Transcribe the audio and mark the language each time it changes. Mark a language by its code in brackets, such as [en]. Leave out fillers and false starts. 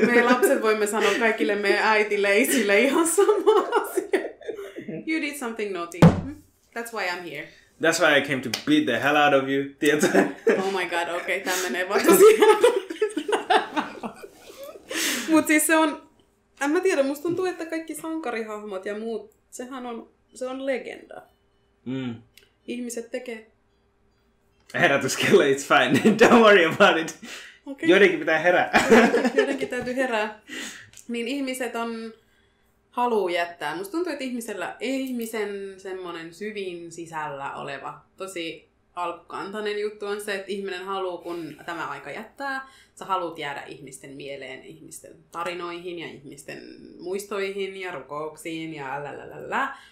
[fi] Me lapset voimme sanoa kaikille meidän äitille isille ihan sama asia. [en] You did something naughty. That's why I'm here. That's why I came to beat the hell out of you. [fi] Tiedätkö? [en] Oh my god, okei. Okay. [fi] Tämä menee vaan tosiaan. Mutta siis se on... En mä tiedä, musta tuntuu, että kaikki sankarihahmot ja muut, sehän on, se on legenda. Mm. Ihmiset tekee. [en] Herätyskello, it's fine, don't worry about it. [fi] Okay. Joidenkin pitää herää. Joidenkin täytyy herää. Niin ihmiset on, haluu jättää. Musta tuntuu, että ihmisellä, ihmisen semmonen syvin sisällä oleva, tosi alkukantainen juttu on se, että ihminen haluaa, kun tämä aika jättää, sä haluat jäädä ihmisten mieleen, ihmisten tarinoihin ja ihmisten muistoihin ja rukouksiin ja lalalala.